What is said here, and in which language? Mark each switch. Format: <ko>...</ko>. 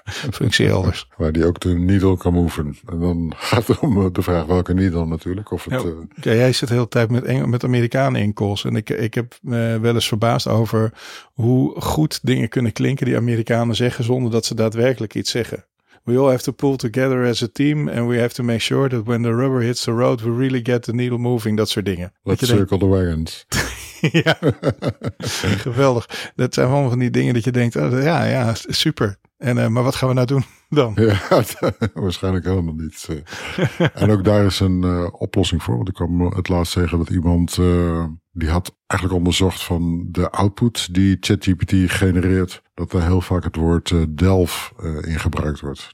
<nl>Functie elders. Waar die ook de needle kan moven. En dan gaat het om de vraag welke needle natuurlijk. Of het, ja, okay, jij zit de hele tijd met Amerikanen in calls. En ik heb me wel eens verbaasd over hoe goed dingen kunnen klinken die Amerikanen zeggen zonder dat ze daadwerkelijk iets zeggen.</nl> <en>We all have to pull together as a team and we have to make sure that when the rubber hits the road we really get the needle moving.</en> <nl>Dat soort dingen.</nl> <en>Let's circle the wagons.</en> <nl>Ja, geweldig. Dat zijn allemaal van die dingen dat je denkt, oh, ja, super. En maar wat gaan we nou doen dan? Ja, waarschijnlijk helemaal niet. En ook daar is een oplossing voor. Want ik kwam het laatst zeggen dat iemand die had eigenlijk onderzocht van de output die ChatGPT genereert, dat daar heel vaak het woord delf in gebruikt wordt.</nl>